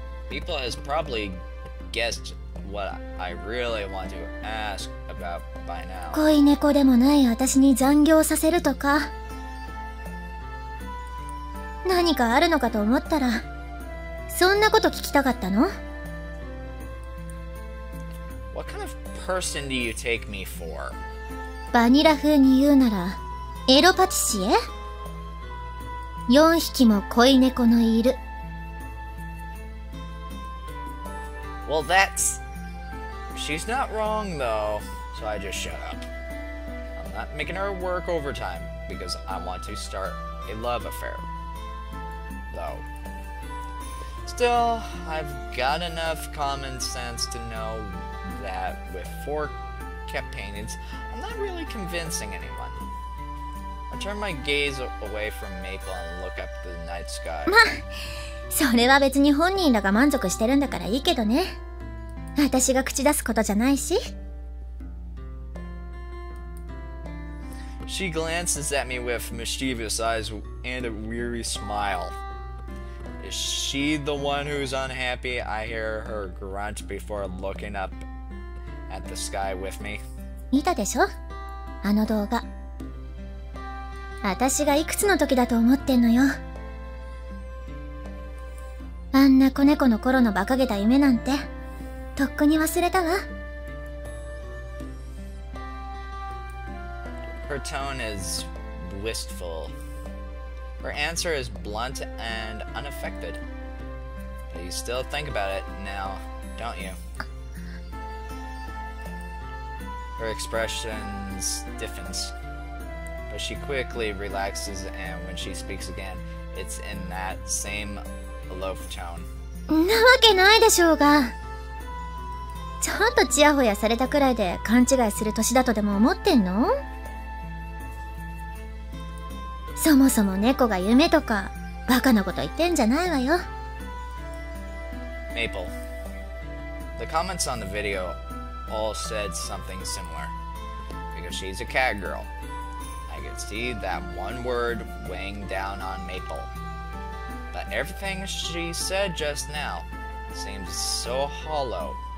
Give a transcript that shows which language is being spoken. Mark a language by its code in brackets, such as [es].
[en] People has probably guessedWhat I really want to ask about by now. [ja] 恋猫でもない私に残業させるとか、何かあるのかと思ったら、そんなこと聞きたかったの？ [en] What kind of person do you take me for? [ja] バニラ風に言うなら、エロパティシエ？四匹も恋猫のいる。 [en] Well, that'sShe's not wrong, though, so I just shut up. I'm not making her work overtime because I want to start a love affair. Though. Still, I've got enough common sense to know that with four companions, I'm not really convincing anyone. I turn my gaze away from Maple and look up the night sky. [ja] まあ、それは別に本人らが満足してるんだからいいけどね。私が口出すことじゃないし。 [en] She glances at me with mischievous eyes and a weary smile. Is she the one who's unhappy? I hear her grunt before looking up at the sky with me. [ja] 見たでしょ？あの動画。私がいくつの時だと思ってんのよ。あんな子猫の頃の馬鹿げた夢なんて。とっくに忘れたわ。 [en] Her tone is wistful. Her answer is blunt and unaffected. But you still think about it now, don't you? Her expression stiffens. But she quickly relaxes and when she speaks again, it's in that same aloof tone. [ja] なわけないでしょうが。ちゃんとチヤホヤされたくらいで勘違いする年だとでも思ってんの？そもそも猫が夢とかバカなこと言ってんじゃないわよ。 [en] Maple. The comments on the video all said something similar. Because she's a cat girl. I could see that one word weighing down on Maple. But everything she said just now seems so hollow.